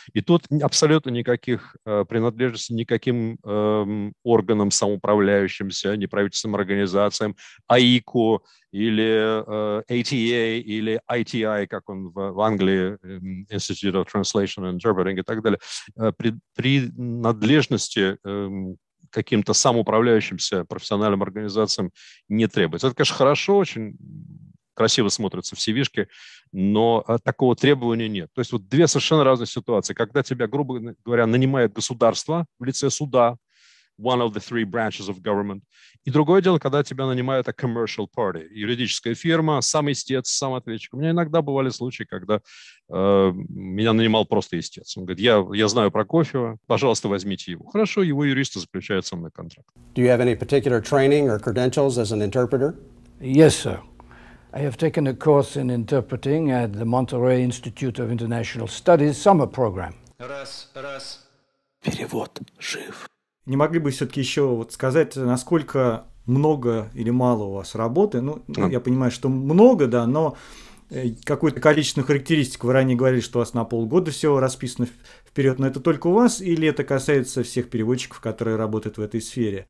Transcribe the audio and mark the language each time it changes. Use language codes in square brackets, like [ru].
[ru] И тут абсолютно никаких принадлежностей никаким органам самоуправляющимся, неправительственным организациям, АИКу или ATA, или ITI, как он в Англии, Institute of Translation and Interpreting и так далее, принадлежности каким-то самоуправляющимся профессиональным организациям не требуется. Это, конечно, хорошо, очень красиво смотрится в CV-шке, но такого требования нет. То есть вот две совершенно разные ситуации. Когда тебя, грубо говоря, нанимает государство в лице суда, [en] one of the three branches of government. [ru] И другое дело, когда тебя нанимают [en] a commercial party, [ru] юридическая фирма, сам истец, сам ответчик. У меня иногда бывали случаи, когда меня нанимал просто истец. Он говорит, я знаю Прокофьева, пожалуйста, возьмите его. Хорошо, его юристы заключают со мной контракт. [en] Do you have any particular training or credentials as an interpreter? Yes, sir. I have taken a course in interpreting at the Monterey Institute of International Studies summer program. [ru] Раз, раз. Перевод жив. Не могли бы все-таки еще вот сказать, насколько много или мало у вас работы? Ну, я понимаю, что много, да, но какую-то количественную характеристику. Вы ранее говорили, что у вас на полгода все расписано вперед, но это только у вас или это касается всех переводчиков, которые работают в этой сфере?